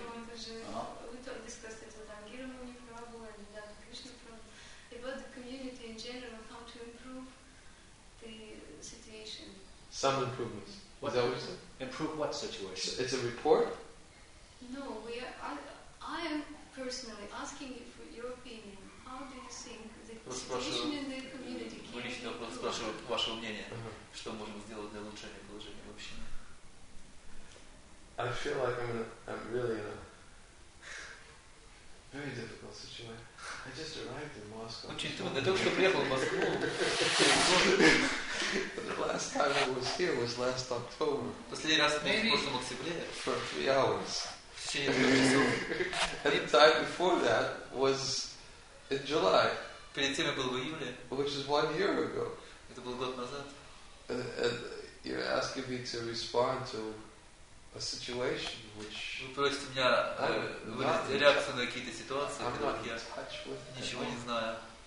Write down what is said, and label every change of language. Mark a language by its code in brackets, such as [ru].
[en] We talked, discussed it with Angira Muni Prabhu and Dada Krishna Prabhu about the community in general, how to improve the situation. Some improvements. What is that what you said? Improve what situation? It's a report? No, I am personally asking you for your opinion. How do you think the situation in the community can improve? [ru] Что можем сделать для улучшения положения в общине? [en] I feel like I'm really in a very difficult situation. I just arrived in Moscow. [ru] Очень трудно. Только что приехал в Москву. [en] The last time I was here was last October. [ru] Последний раз был в прошлом октябре. [en] For 3 hours. And the time before that was in July. [ru] Перед тем я был в июле. [en] Which is 1 year ago. [ru] Это был год назад. [en] And you're asking me to respond to a situation which... [ru] Вы просите меня выразить реакцию на какие-то ситуации, о которых я ничего не знаю.